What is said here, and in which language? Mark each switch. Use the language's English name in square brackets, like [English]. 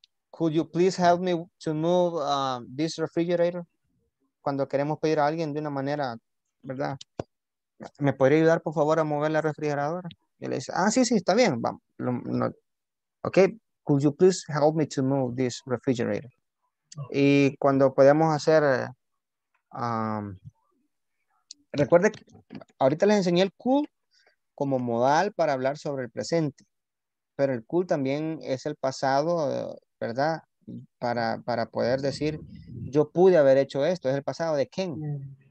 [English] Could you please help me to move this refrigerator? [Spanish] Cuando queremos pedir a alguien de una manera, ¿verdad? ¿Me podría ayudar, por favor, a mover la refrigeradora? Y le dice, ah, sí, está bien. Vamos. No. [English] Ok, could you please help me to move this refrigerator? [Spanish] Y cuando podemos hacer... recuerde que ahorita les enseñé el cool como modal para hablar sobre el presente, pero el cool también es el pasado, ¿verdad? Para poder decir yo pude haber hecho esto, es el pasado de Ken.